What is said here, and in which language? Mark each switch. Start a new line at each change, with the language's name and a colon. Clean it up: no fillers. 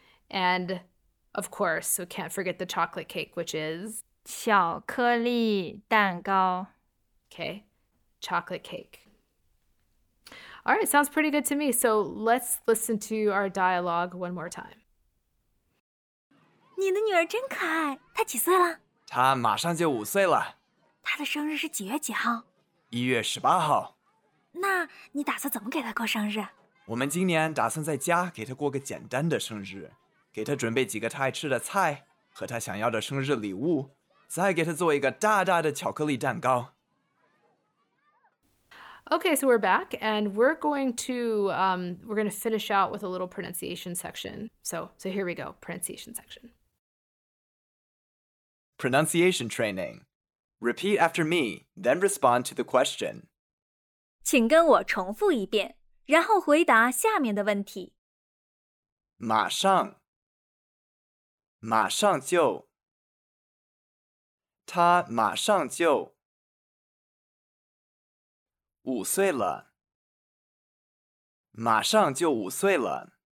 English: And of course, we can't forget the chocolate cake, which is?
Chinese: 巧克力蛋糕.
English: Okay, chocolate cake. All right, sounds pretty good to me. So let's listen to our dialogue one more time.
Chinese: 你的女儿真可爱,她几岁了? 他马上就五岁了。他的生日是几月几号？ 1月18号。那你打算怎么给他过生日？我们今年打算在家给他过个简单的生日，给他准备几个他爱吃的菜和他想要的生日礼物，再给他做一个大大的巧克力蛋糕。
English: Okay, so we're back, and we're going to finish out with a little pronunciation section. So here we go, pronunciation section. Pronunciation training. Repeat after me, then respond to the question.
Chinese: 请跟我重复一遍，然后回答下面的问题。马上，马上就，他马上就。五岁了，马上就五岁了。